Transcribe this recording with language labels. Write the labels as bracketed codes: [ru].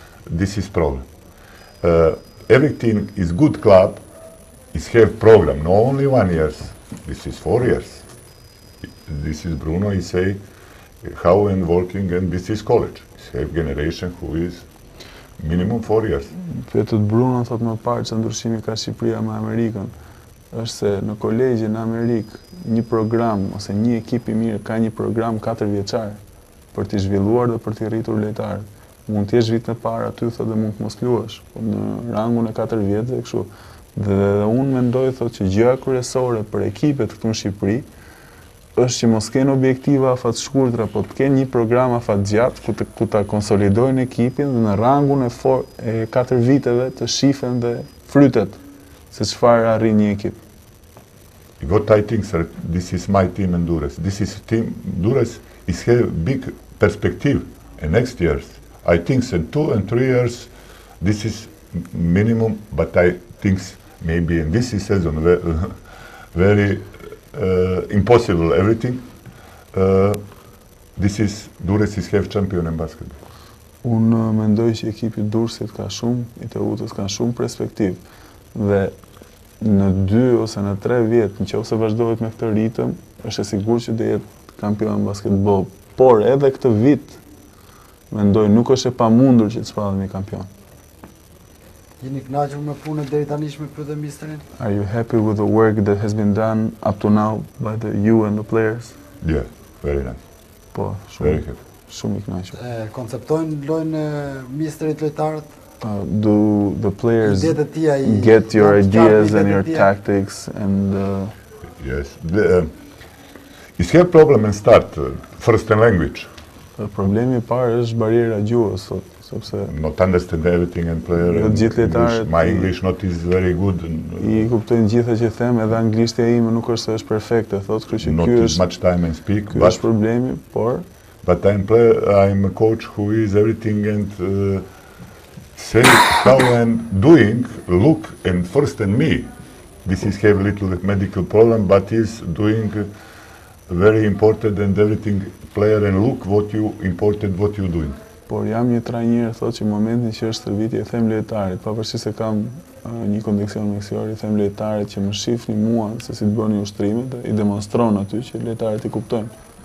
[en] This is problem. Everything is good club. Is have program. Not only 1 year. This is 4 years. This is Bruno. He say how and working and this is college. Is have generation who is. Minimum 4 years. [sq] Fletët Bruno thot më parë që ndryshimi ka Shqipëria me Amerikën, është se në kolegje në Amerikë një program ose një ekip i mirë ka një program 4 vjeçar për t'i zhvilluar dhe për t'i rritur lojtarët. Mund t'jesh vit në parë aty thot dhe mund t'mos luash, po në rangun e 4 vjetëve kështu. Dhe unë mendoj thot që gjëja kryesore për ekipet këtu në Shqipëri është që mos kenë objektiva afat shkurtra, po të kenë një program afat gjatë ku ta konsolidojnë ekipin dhe në rangun e 4 viteve të shifen dhe frytet se çfarë arrin një ekip. [en] What I think, sir, this is my team in Durres. This is team Durres is have big perspective and next years. I think in 2 and 3 years this is minimum, but I think maybe in this season very impossible everything. This is Durres is have champion in basketball. [sq] Unë mendoj që ekipi Durresit ka shumë, i TU-s ka shumë perspektivë dhe në 2 ose në 3 vjet, nëse vazhdohet me këtë ritëm, është e sigurt që do jetë kampion basketboll, por edhe këtë vit mendoj nuk është e pamundur që të shpallet me kampion. Jeni kënaqur me punën deri tanishme për dhe misterin? [en] Are you happy with the work that has been done up to now by the you and the players? Yeah, very nice. [sq] Po, shumë. [en] Very happy. [sq] Shumë i kënaqur. Konceptojnë lojnë misterit lojtarët? [en] Do the players get your ideas and your tactics and... Yes. Is there a problem in start, first in language? The problem is barrier [sq] barriera gjuhës. [en] Not understand everything and player and English. My English not is very good. [sq] I kuptojnë gjitha që them, edhe anglishtja ime nuk është është perfekte, thot, kërë që kjo është... [en] Not much time and speak, but... [sq] Kjo është problemi, por... [en] But I'm a coach who is everything and... Say how I'm doing, look and first and me. This is have a little medical problem, but is doing very important and everything player and look what you important what you doing. [sq] Por jam një trajner thot që momentin që është stërvitje e them lojtarit, pavarësisht se kam një kondicion mjekësor, i them lojtarit që më shifni mua se si të bëni ushtrimet, i demonstron aty që lojtarit i kuptojnë.